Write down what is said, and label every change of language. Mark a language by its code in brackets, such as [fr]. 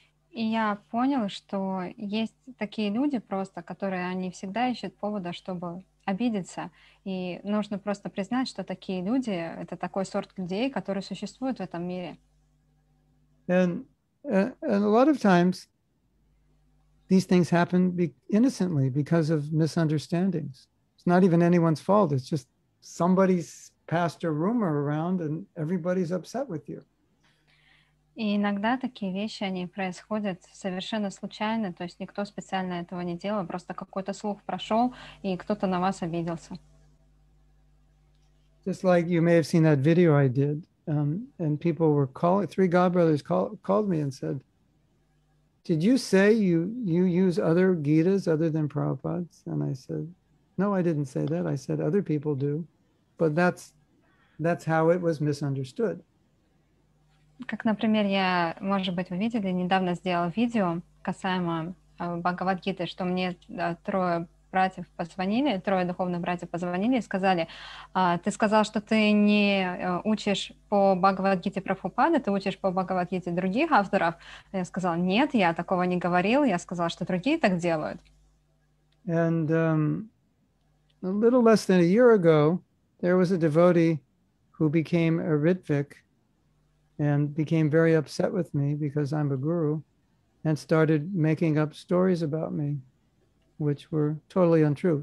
[ru] И я понял, что есть такие люди просто, которые они всегда ищут повода, чтобы обидеться. И нужно просто признать, что такие люди — это такой сорт людей, которые существуют в этом мире. [en] And a lot of times these things happen innocently because of misunderstandings. It's not even anyone's fault. It's just somebody's passed a rumor around and everybody's upset with you. [ru] И иногда такие вещи, они происходят совершенно случайно, то есть никто специально этого не делал, просто какой-то слух прошел, и кто-то на вас обиделся. [en] Just like you may have seen that video I did, and people were calling, three godbrothers called me and said, did you say you use other Gitas other than Prabhupada's? And I said, no, I didn't say that. I said, other people do. But that's how it was misunderstood. [ru] Как, например, я, может быть, вы видели, недавно сделал видео касаемо Бхагавад-гиты, что мне трое братьев позвонили, трое духовных братьев позвонили и сказали, ты сказал, что ты не учишь по Бхагавад-гите Прабхупады, ты учишь по Бхагавад-гите других авторов. Я сказал, нет, я такого не говорил, я сказал, что другие так делают. [en] And a little less than a year ago, there was a devotee who became a ritvik, and became very upset with me because I'm a guru, and started making up stories about me, which were totally untrue.